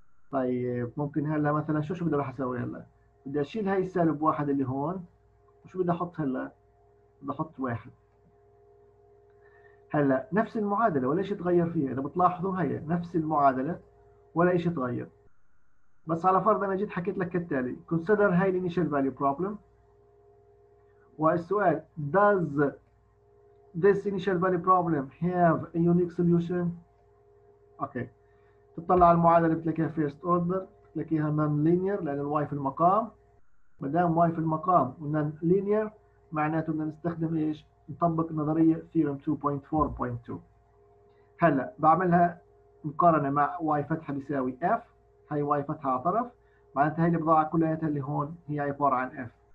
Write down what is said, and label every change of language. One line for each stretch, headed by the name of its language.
Arabic: طيب ممكن هلا مثلا شو بدي راح اسوي هلا؟ بدي اشيل هاي السالب واحد اللي هون، وشو بدي احط هلا؟ بدي احط واحد. هلا نفس المعادله ولا شيء تغير فيها، اذا بتلاحظوا هي نفس المعادله ولا شيء تغير. بس على فرض انا جيت حكيت لك كالتالي، كونسيدر هاي الانيشال فاليو بروبلم. والسؤال
English: does this initial value problem have a unique solution؟ Okay okay.
Arabic: تطلع المعادلة بتلاقيها فيرست اوردر، بتلاقيها نون لينير لان الواي في المقام. ما دام واي في المقام ونون لينير معناته بدنا نستخدم ايش؟ نطبق نظرية ثيرم 2.4.2. هلا بعملها مقارنة مع واي فتحة بيساوي اف، هاي واي فتحة على طرف، معناتها هاي البضاعة كلياتها اللي هون هي عبارة عن اف.